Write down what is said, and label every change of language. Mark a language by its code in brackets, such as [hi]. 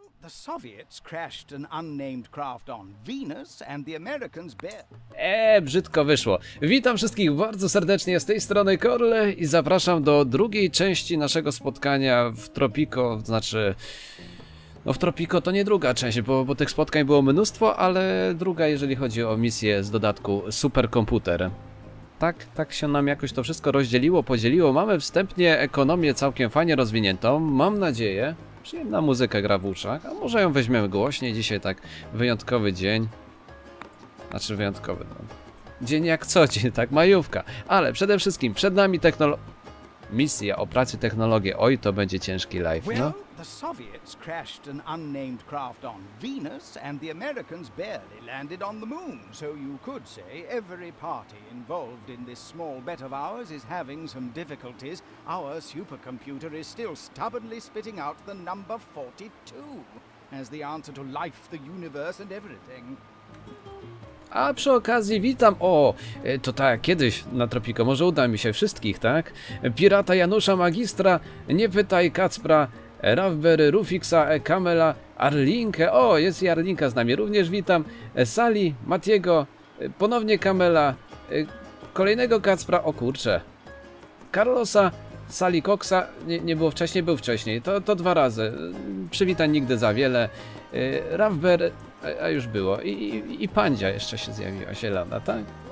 [en] The Soviets crashed an unnamed craft on Venus and the Americans built. [pl] Brzydko wyszło. Witam wszystkich bardzo serdecznie z tej strony Korle i zapraszam do drugiej części naszego spotkania w Tropico, znaczy. No w Tropico to nie druga część, bo tych spotkań było mnóstwo, ale druga, jeżeli chodzi o misję z dodatku Superkomputer. Tak się nam jakoś to wszystko rozdzieliło, podzieliło. Mamy wstępnie ekonomię całkiem fajnie rozwiniętą, mam nadzieję. Przyjemna muzyka gra w uszach, a może ją weźmiemy głośniej. Dzisiaj tak wyjątkowy dzień. Znaczy wyjątkowy, no. Dzień jak co dzień, tak majówka. Ale przede wszystkim przed nami misja o pracy technologię. Oj, to będzie ciężki live, no. [en] The Soviets crashed an unnamed craft on Venus and the Americans barely landed on the moon. So you could say every party involved in this small bet of ours is having some difficulties. Our supercomputer is still stubbornly spitting out the number 42 as the answer to life, the universe and everything. [pl] A przy okazji witam, to tak, kiedyś na Tropico, może uda mi się wszystkich, tak? Pirata Janusza Magistra, nie pytaj Kacpra, Raffberry, Rufixa, Kamela, Arlinkę, jest i Arlinka z nami, również witam, Sali, Matiego, ponownie Kamela, kolejnego Kacpra, Carlosa, Sali Koksa, nie było wcześniej, był wcześniej, to dwa razy, przywitań nigdy za wiele, Raffberry, a już było, i Pandzia jeszcze się zjawiła, zielona, tak?